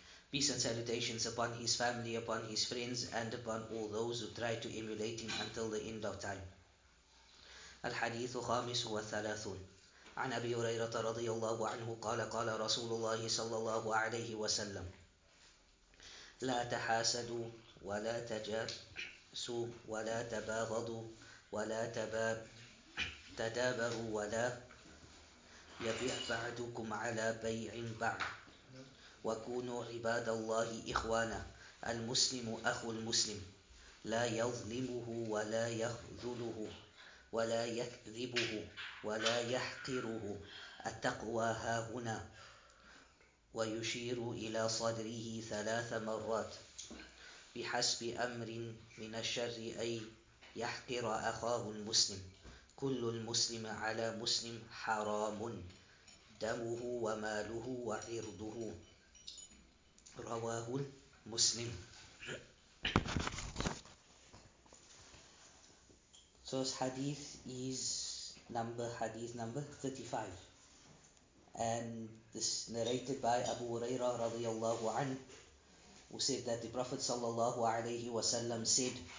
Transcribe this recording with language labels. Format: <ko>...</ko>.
<en>Peace and salutations upon his family, upon his friends, and upon all those who try to emulate him until the end of time.</en> <ar>الحديث الخامس والثلاثون عن أبي هريرة رضي الله عنه قال قال رسول الله صلى الله عليه وسلم لا تحاسدوا ولا تجاسوا ولا تباغضوا ولا تدابروا ولا يبيع بعضكم على بيع بعض وكونوا عباد الله إخوانا المسلم أخو المسلم لا يظلمه ولا يخذله ولا يكذبه ولا يحقره التقوى هاهنا ويشير إلى صدره ثلاث مرات بحسب أمر من الشر أي يحقر أخاه المسلم كل المسلم على مسلم حرام دمه وماله وعرضه رواه المسلم.</ar> <en>So this hadith is hadith number 35, and this narrated by Abu Huraira radiyallahu anhu, who said that the Prophet sallallahu alayhi wa sallam said,</en>